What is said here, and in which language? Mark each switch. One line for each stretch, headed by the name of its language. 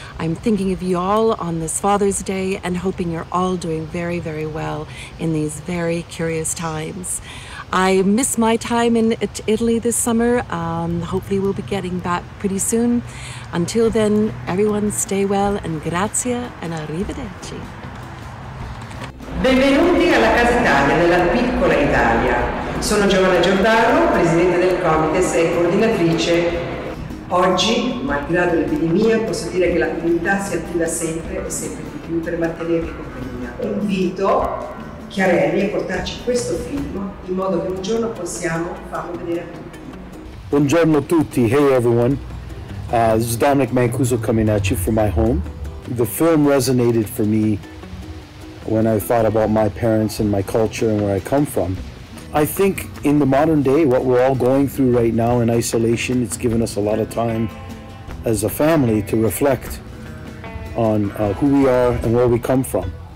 English: I'm thinking of you all on this Father's Day and hoping you're all doing very, very well in these very curious times. I miss my time in Italy this summer. Hopefully we'll be getting back pretty soon. Until then, everyone stay well and grazie and arrivederci.
Italian: Benvenuti alla Casa Italia della piccola Italia. Sono Giovanna Giordano, presidente del Comites e coordinatrice. Oggi, malgrado l'epidemia, posso dire che la comunità si attiva sempre e sempre di più per mantenervi compagnia. Invito Chiarelli a portarci questo film in modo che un giorno possiamo farlo vedere a tutti. Buongiorno a tutti,
English: hey everyone. This is Dominic Mancuso coming at you from my home. The film resonated for me when I thought about my parents and my culture and where I come from. I think in the modern day, what we're all going through right now in isolation, it's given us a lot of time as a family to reflect on who we are and where we come from.